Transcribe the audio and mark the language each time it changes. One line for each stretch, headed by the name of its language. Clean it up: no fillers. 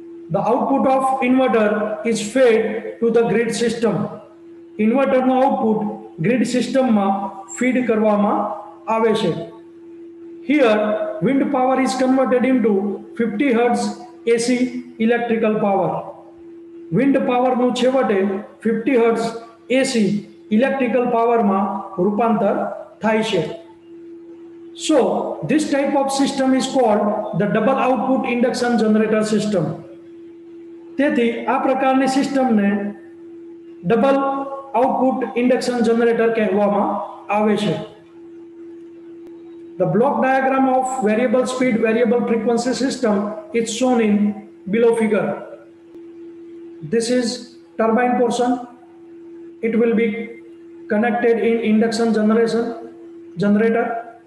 English: The output of inverter is fed to the grid system.
Gujarati: Inverter no output grid system ma feed karvama aave che.
English: Here wind power is converted into 50 hertz AC electrical power.
Gujarati: Wind પાવરનું છેવટે 50 hertz એસી electrical પાવરમાં રૂપાંતર થાય છે.
English: So this type of system is called the double output induction generator system.
Gujarati: તેથી આ પ્રકારની સિસ્ટમને ડબલ આઉટપુટ ઇન્ડક્શન જનરેટર કહેવામાં આવે છે.
English: The block diagram of variable speed, variable frequency system is shown in below figure. This is turbine portion. It will be connected in induction generator.